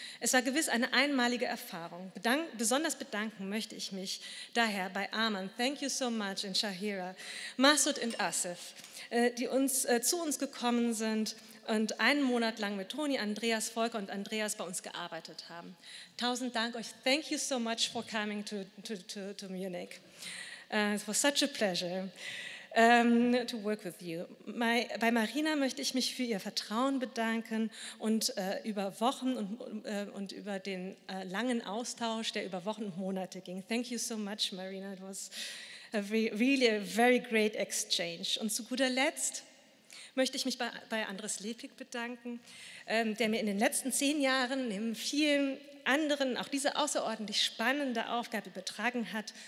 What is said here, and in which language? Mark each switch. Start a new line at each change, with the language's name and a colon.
German: Es war gewiss eine einmalige Erfahrung. Besonders bedanken möchte ich mich daher bei Arman,
English: thank you so much,
German: in Shahira, Masud und Asif, die zu uns gekommen sind, und einen Monat lang mit Toni, Andreas, Volker und Andreas bei uns gearbeitet haben. Tausend Dank euch.
English: Thank you so much for coming to Munich. It was such a pleasure to work with you.
German: Bei Marina möchte ich mich für ihr Vertrauen bedanken und über Wochen und über den langen Austausch, der über Wochen und Monate ging.
English: Thank you so much, Marina. It was really a very great exchange.
German: Und zu guter Letzt möchte ich mich bei Andres Lepik bedanken, der mir in den letzten 10 Jahren neben vielen anderen auch diese außerordentlich spannende Aufgabe übertragen hat.